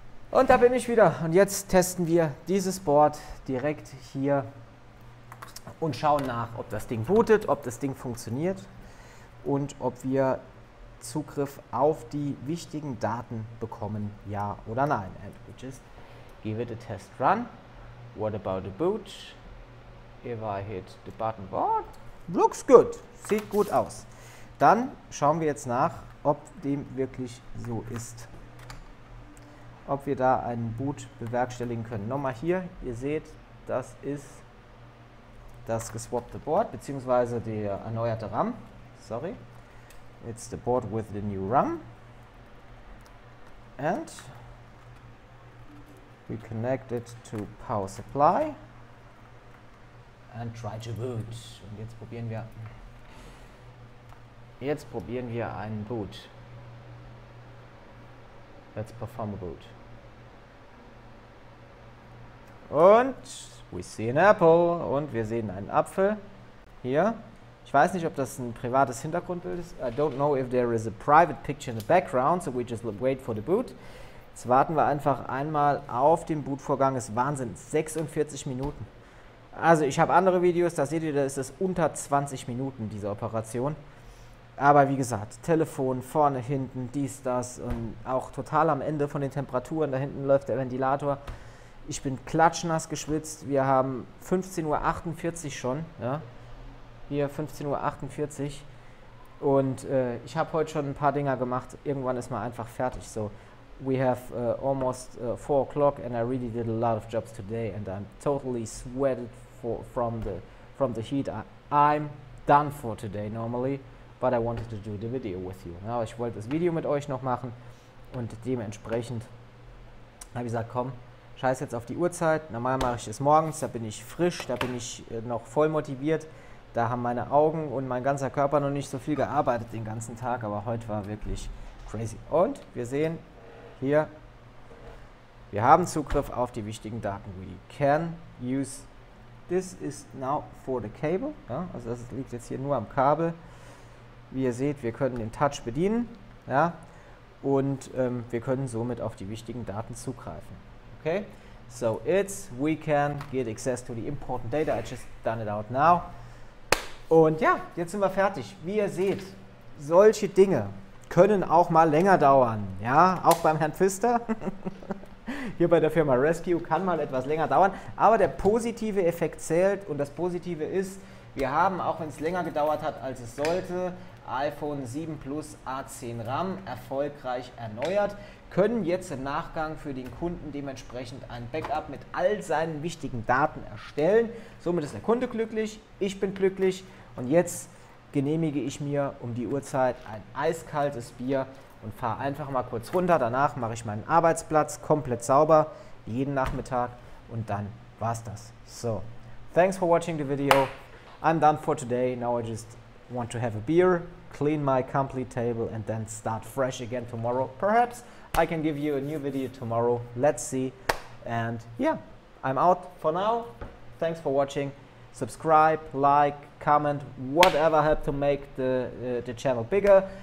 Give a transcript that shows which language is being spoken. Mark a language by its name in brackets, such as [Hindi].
[German] Und da bin ich wieder und jetzt testen wir dieses Board direkt hier und schauen nach, ob das Ding bootet, ob das Ding funktioniert und ob wir Zugriff auf die wichtigen Daten bekommen, ja oder nein. [English] And we just give it a test run. What about the boot? If I hit the button, what? Looks good. [German] Sieht gut aus. Dann schauen wir jetzt nach, ob dem wirklich so ist. Ob wir da einen Boot bewerkstelligen können. Nochmal hier, ihr seht, das ist das geswappte Board, beziehungsweise der erneuerte RAM. [English] Sorry. It's the board with the new RAM. And we connect it to power supply. And try to boot. [German] Und jetzt probieren wir. Jetzt probieren wir einen Boot. [English] Let's perform a boot. [German] Und [English] we see an apple. [German] Und wir sehen einen Apfel. Hier. Ich weiß nicht, ob das ein privates Hintergrundbild ist. [English] I don't know if there is a private picture in the background, so we just wait for the boot. [German] Jetzt warten wir einfach einmal auf den Bootvorgang. Ist Wahnsinn. 46 Minuten. Also ich habe andere Videos, da seht ihr, da ist es unter 20 Minuten, diese Operation. Aber wie gesagt, Telefon vorne, hinten, dies, das und auch total am Ende von den Temperaturen. Da hinten läuft der Ventilator. Ich bin klatschnass geschwitzt. Wir haben 15.48 Uhr schon. Ja? Hier 15.48 Uhr. Und ich habe heute schon ein paar Dinger gemacht. Irgendwann ist man einfach fertig. [English] So, we have almost 4 o'clock and I really did a lot of jobs today and I'm totally sweated from the heat. I'm done for today normally. But I wanted to do the video with you. [German] Ja, ich wollte das Video mit euch noch machen und dementsprechend habe ich gesagt, komm, scheiß jetzt auf die Uhrzeit. Normal mache ich es morgens, da bin ich frisch, da bin ich noch voll motiviert. Da haben meine Augen und mein ganzer Körper noch nicht so viel gearbeitet den ganzen Tag, aber heute war wirklich crazy. Und wir sehen hier, wir haben Zugriff auf die wichtigen Daten. [English] We can use this is now for the cable. [German] Ja, also das liegt jetzt hier nur am Kabel. Wie ihr seht, wir können den Touch bedienen, ja, und wir können somit auf die wichtigen Daten zugreifen. [English] Okay, so it's, we can get access to the important data, I just done it out now. [German] Und ja, jetzt sind wir fertig. Wie ihr seht, solche Dinge können auch mal länger dauern, ja, auch beim Herrn Pfister. Hier bei der Firma Rescue kann mal etwas länger dauern, aber der positive Effekt zählt und das Positive ist, wir haben, auch wenn es länger gedauert hat, als es sollte, iPhone 7 Plus A10 RAM erfolgreich erneuert, können jetzt im Nachgang für den Kunden dementsprechend ein Backup mit all seinen wichtigen Daten erstellen. Somit ist der Kunde glücklich, ich bin glücklich und jetzt genehmige ich mir um die Uhrzeit ein eiskaltes Bier und fahre einfach mal kurz runter. Danach mache ich meinen Arbeitsplatz komplett sauber, jeden Nachmittag und dann war es das. [English] So, thanks for watching the video. I'm done for today. Now I just want to have a beer, clean my complete table and then start fresh again tomorrow. Perhaps I can give you a new video tomorrow. Let's see. And yeah, I'm out for now. Thanks for watching. Subscribe, like, comment, whatever helped to make the channel bigger.